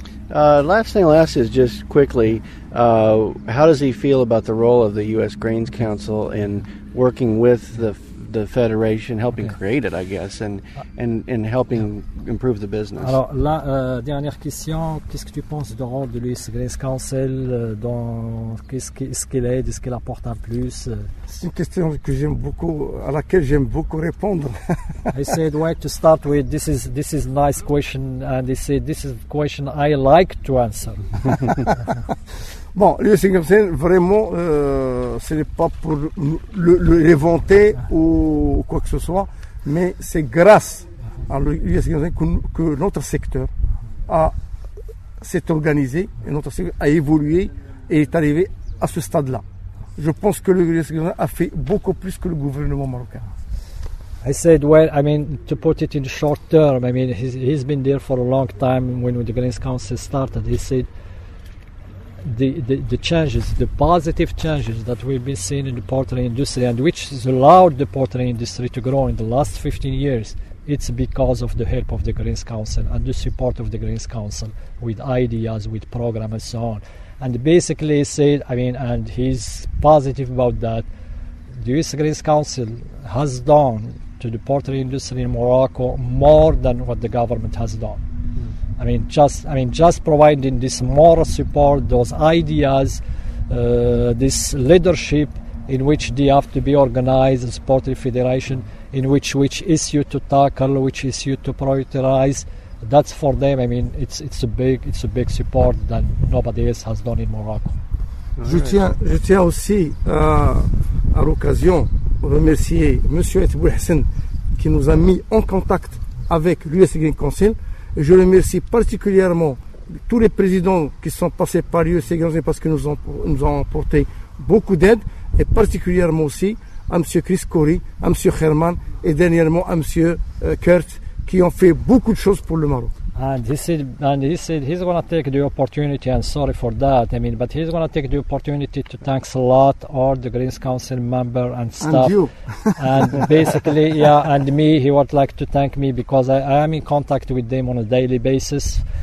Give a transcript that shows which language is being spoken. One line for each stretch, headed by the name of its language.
English: Last is just quickly, how does he feel about the role of the U.S. Grains Council in working with the Federation, helping create it, I guess, and helping improve the business?
French: Alors, la dernière question, qu'est-ce que tu penses du rôle de l'U.S. Grains Council, qu'est-ce qu'il aide, est-ce qu'il apporte en plus? C'est une question que j'aime beaucoup, à laquelle j'aime beaucoup répondre.
English: I said, wait, to start with, this is nice question, and he said, this is a question I like to answer.
French: Bon, l'U.S. Grains Council, vraiment, ce n'est pas pour le vanter ou quoi que ce soit, mais c'est grâce à l'U.S. Grains Council que notre secteur s'est organisé et notre secteur a évolué et est arrivé à ce stade-là. Je pense que l'U.S. Grains Council a fait beaucoup plus que le gouvernement marocain.
English: I said, well, I mean, to put it in short term, I mean, he's been there for a long time when the Grains Council started. He said, the changes, the positive changes that we've been seeing in the poultry industry and which has allowed the poultry industry to grow in the last 15 years, it's because of the help of the Grains Council and the support of the Grains Council with ideas, with programs and so on. And basically he said, I mean, and he's positive about that, the U.S. Grains Council has done to the poultry industry in Morocco more than what the government has done. I mean, just providing this moral support, those ideas, this leadership in which they have to be organized, the sporting federation, in which issue to tackle, which issue to prioritize, that's for them. I mean, it's a big support that nobody else has done in Morocco.
French: Je tiens aussi à l'occasion remercier Monsieur Etboul Hassan qui nous a mis en contact avec l'U.S. Grains Council. Je remercie particulièrement tous les présidents qui sont passés par l'U.S. Grains Council parce qu'ils nous ont apporté beaucoup d'aide, et particulièrement aussi à M. Chris Corey, à M. Herman et dernièrement à M. Kurt qui ont fait beaucoup de choses pour le Maroc.
English: And he said he's going to take the opportunity, and sorry for that, I mean, but he's going to take the opportunity to thanks a lot all the Grains Council member and staff. And you. And basically, yeah, and me, he would like to thank me because I am in contact with them on a daily basis.